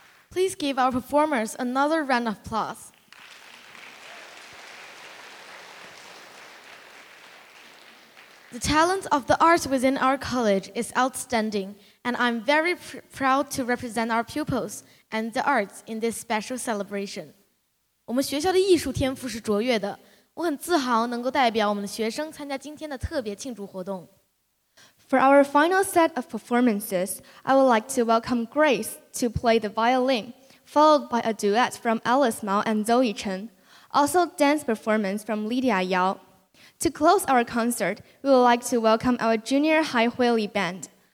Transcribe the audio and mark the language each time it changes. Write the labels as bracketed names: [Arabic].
[English] Please give our performers another round of applause. The talent of the arts within our college is outstanding, and I'm very proud to represent our pupils and the arts in this special celebration. [Chinese] 我们学校的艺术天赋是卓越的，我很自豪能够代表我们的学生参加今天的特别庆祝活动。 [English] For our final set of performances, I would like to welcome Grace to play the violin, followed by a duet from Alice Mao and Zoe Chen, also dance performance from Lydia Yao. To close our concert, we would like to welcome our junior high Huili band.